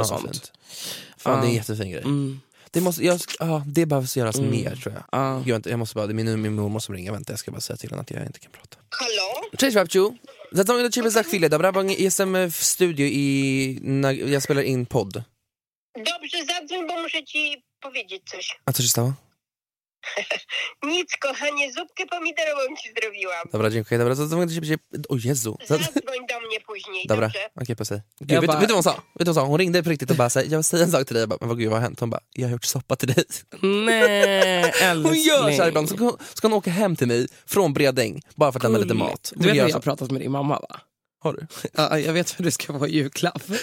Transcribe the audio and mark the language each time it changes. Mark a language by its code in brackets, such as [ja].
[sv] och sånt. Fan, det är jättefin grej. Det måste det behövs göras mer, tror jag. Jag måste bara, det är min mormor som ringer. Vänta, jag ska bara säga till henne att jag inte kan prata. Hallå. Tjej Rapchu. Det är Tommy och Chimmy Zack i SM studio i när jag spelar in podd. [pl] Dobrze, zadzwoń, bo muszę ci powiedzieć coś. A co się stało? Nic, kochanie, zupkę pomidorową ci zrobiłam. Dobra, dziękuję. Dobra, zadzwoń do ciebie. O Jezu. Zadzwoń do mnie później. Dobra, okej, po se. [sv] Vet du vad hon sa? Hon ringde på riktigt och bara, jag vill säga en sak till dig. Jag bara, men vad har hänt? Hon bara, jag har gjort soppa till dig. Nej, älskling. Hon gör så här ibland. Ska hon åka hem till mig från Bredäng bara för att lämna lite mat? Du vet att jag har pratat med din mamma, va? Har du? Ja, jag vet hur du ska få julklapp.